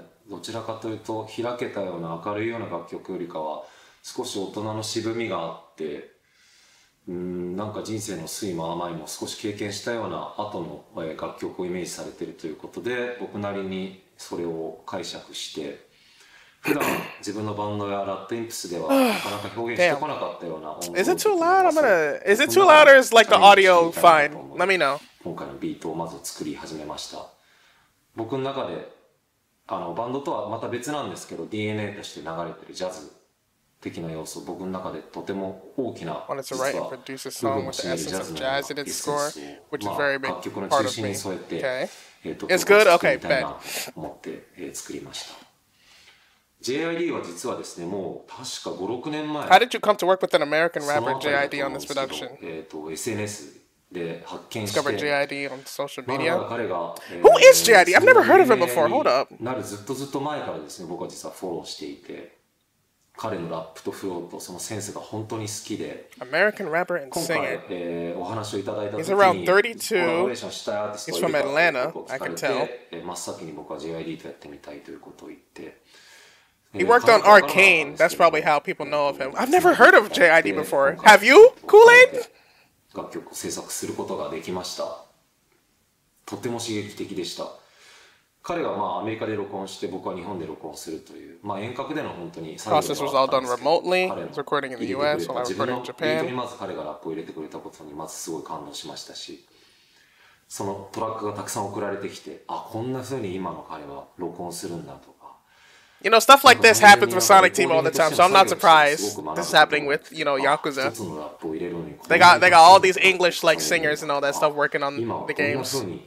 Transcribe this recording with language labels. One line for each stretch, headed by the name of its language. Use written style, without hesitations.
Japanese: どちらかというと開けたような明るいような楽曲よりかは少し大人の渋みがあってなんか人生の酸いも甘いも少し経験したような後の楽曲をイメージされているということで僕なりにそれを解釈して普段自分のバンドやラッドインプスではなかなか表現してこなかったような音楽を作ってます。
English: Is it too loud or is like the audio fine? Let me know.
Japanese: 今回のビートをまず作り始めました。僕の中でバンドとはまた別なんですけど DNA として流れてるジャズ的な要素僕の中でとても大きな実は部分を占めるジャズのようなエッセンスを、楽曲の中心に添えて
English: It's good? OK,
Japanese: みたいな思って作りました。JID は実はですねもう確か 5、6 年前
English: How did you come to work with an American rapper JID on this production?
Japanese: SNS
English: Discovered JID on social media. Who is JID? I've never heard of him before. Hold up.
Japanese: なるずっとずっと前からですね、僕は実はフォローしていて、彼のラップとフローとそのセンスが本当に好きで、
English: American rapper and singer.
Japanese: 今回、お話をいただいた時に、
English: He's around 32. He's from Atlanta. I can tell.
Japanese: 真っ先に僕は JID とやってみたいということを言って、
English: He worked on Arcane. That's probably how people know of him. I've never heard of JID before. Have you, Kool-Aid?
Japanese: 楽曲を制作することができました。とても刺激的でした。彼がまあアメリカで録音して僕は日本で録音するという、まあ、遠隔での本当に作業があったんですけど、
English: process was all done remotely. Recording in the US while I was recording in Japan.
Japanese: 自分のビートにまず彼がラップを入れてくれたことにまずすごい感動しましたし、そのトラックがたくさん送られてきて、あ、こんな風に今の彼は録音するんだと。
English: You know, stuff like this happens with Sonic Team all the time, so I'm not surprised this is happening with, you know, Yakuza. They got all these English, like, singers and all that stuff working on the games.